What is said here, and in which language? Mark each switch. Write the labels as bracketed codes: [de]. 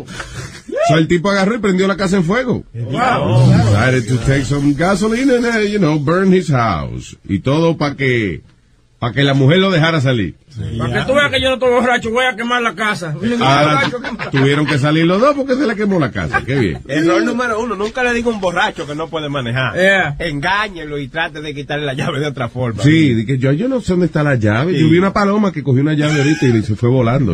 [es] O sea, el tipo agarró y prendió la casa en fuego. ¡Wow! [en] Decided to take some gasoline and, burn his house. [es] Y todo para que... Para que la mujer lo dejara salir. Sí, para que tú veas que yo no estoy borracho, voy a quemar la casa. Tuvieron que salir los dos porque se le quemó la casa. Qué bien. Error número uno, nunca le digo a un borracho que no puede manejar. [en] Yeah. [es] Engáñelo y trate de quitarle la llave de otra forma. Sí, dije, yo no sé dónde está la llave. Sí. Yo vi una paloma que cogió una llave ahorita y se fue volando.